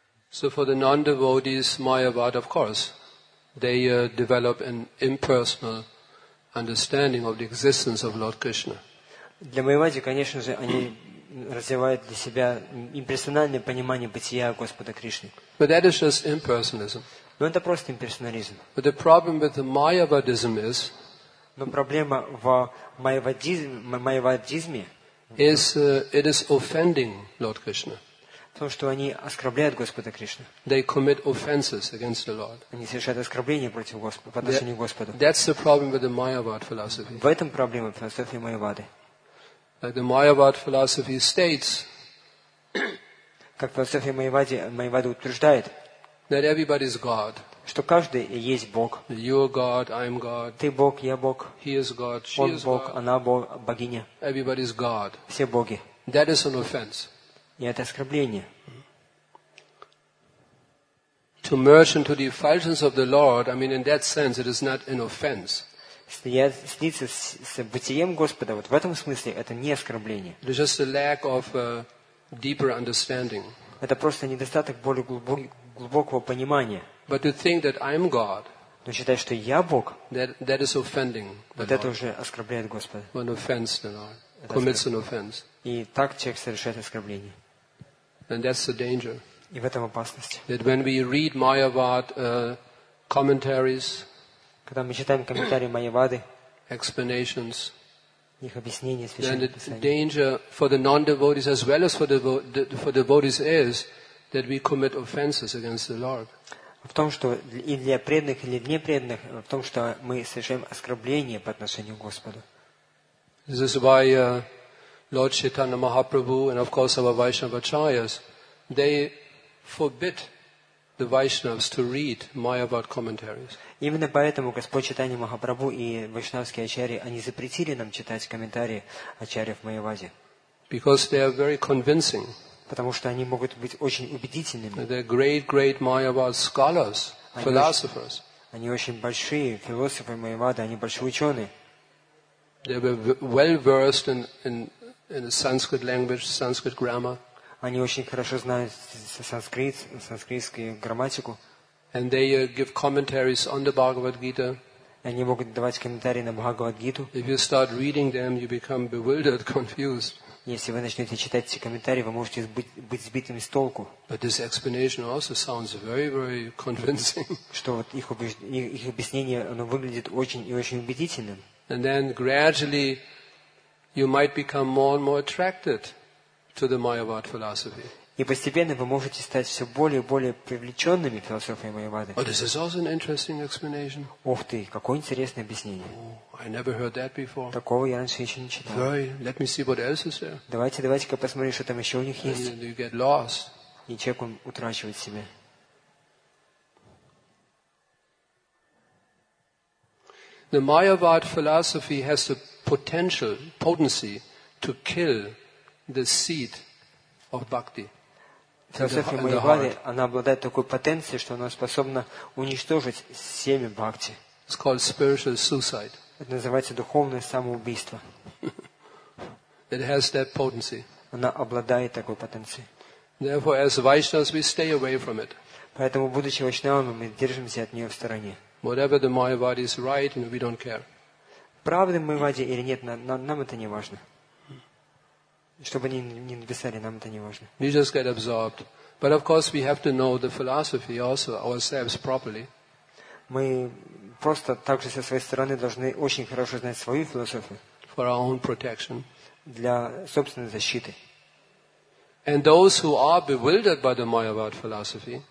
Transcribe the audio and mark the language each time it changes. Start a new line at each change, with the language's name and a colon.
English: So for the non-devotees, Mayavada, of course, they develop an impersonal understanding of the existence of Lord Krishna.
Russian: Для Майявады, конечно же, они развивают для себя имперсональное понимание бытия Господа Кришны.
English: But that is just impersonalism.
Russian: Но это просто имперсонализм.
English: But the problem with the Mayavadism is.
Russian: Но проблема в майявадизме.
English: Is it is offending Lord Krishna.
Russian: В том, что они оскорбляют Господа Кришну.
English: They commit offenses against the Lord.
Russian: Они совершают оскорбления против Господа, по отношению к Господу.
English: That's the problem with the Mayavad philosophy.
Russian: В этом проблема философии Майявады.
English: Like the Mayavad philosophy states,
Russian: как философия Майявады утверждает,
English: that everybody is God.
Russian: Что каждый есть Бог.
English: You are God, I am God.
Russian: Ты Бог, я Бог.
English: He is God, she
Russian: Он
English: is
Russian: Бог,
English: God.
Russian: Она Бог, богиня.
English: Everybody is God.
Russian: Все боги.
English: That is an offense.
Russian: И это оскорбление.
English: To merge into the effulgence of the Lord, I mean, in that sense, it is not an offense.
Russian: Слиться с бытием Господа, вот в этом смысле, это не оскорбление.
English: It's just a lack of deeper understanding.
Russian: Это просто недостаток более глубокого понимания.
English: But to think that I'm God,
Russian: но считать, что я Бог,
English: that is offending the Lord.
Russian: Вот это уже оскорбляет Господа.
English: An offense to the Lord. Commits an offense.
Russian: И так человек совершает оскорбление.
English: And that's the danger.
Russian: И в этом опасность.
English: That when we read Mayavad commentaries,
Russian: когда мы читаем комментарии Майявады,
English: explanations,
Russian: их объяснения,
English: then the danger for the non-devotees as well as for the devotees is that we commit offenses against the Lord.
Russian: В том, что и для преданных, и для непреданных, в том, что мы совершаем оскорбление по отношению к Господу.
English: This is why Lord Chaitanya Mahaprabhu and of course our Vaishnavacharyas, they forbid the Vaishnavas to read Mayavad commentaries.
Russian: Именно поэтому Господь Чайтанья Махапрабху и Вайшнавские ачарьи, они запретили нам читать комментарии ачарьев Майявады.
English: Because they are very convincing.
Russian: Потому что они могут быть очень убедительными.
English: They are great, great Mayavad scholars, philosophers.
Russian: Они очень большие философы Майявады, они большие ученые.
English: They were well versed in the Sanskrit language, Sanskrit grammar.
Russian: Они очень хорошо знают санскрит, санскритскую грамматику.
English: And they give commentaries on the Bhagavad Gita.
Russian: Они могут давать комментарии на Бхагавад Гиту.
English: If you start reading them, you become bewildered, confused.
Russian: Если вы начнете читать эти комментарии, вы можете быть сбитыми с толку.
English: But this explanation also sounds very, very convincing.
Russian: Что вот их объяснение, оно выглядит очень и очень убедительным.
English: And then gradually you might become more and more attracted to the Mayavad philosophy.
Russian: И постепенно вы можете стать все более и более привлеченными философией Майявады.
English: Oh, this is also an interesting explanation.
Russian: Ух ты, какое интересное объяснение.
English: Oh, I never heard that before.
Russian: Такого я раньше еще не читал.
English: Very. Let me see what else is there.
Russian: Давайте-ка посмотрим, что там еще у них есть.
English: And you get lost.
Russian: И человек, он утрачивает себя.
English: The Mayavad philosophy has the potency to kill the seed of bhakti.
Russian: Философия Майявады, она обладает такой потенцией, что она способна уничтожить семя бхакти.
English: It's called spiritual suicide.
Russian: Это называется духовное самоубийство.
English: It has that potency.
Russian: Она обладает такой потенцией.
English: Therefore, as Vaishnavas, we stay away from it.
Russian: Поэтому, будучи вайшнавами, мы держимся от нее в стороне.
English: Whatever the Mayavad is right, and we don't care.
Russian: Правда Майявада или нет, нам это не важно. Чтобы они не написали, нам это не важно.
English: We just get absorbed. But of course, we have to know the philosophy also ourselves properly.
Russian: Мы просто также со своей стороны должны очень хорошо знать свою философию.
English: For our own protection.
Russian: Для собственной защиты.
English: And those who are bewildered by the Mayavad philosophy,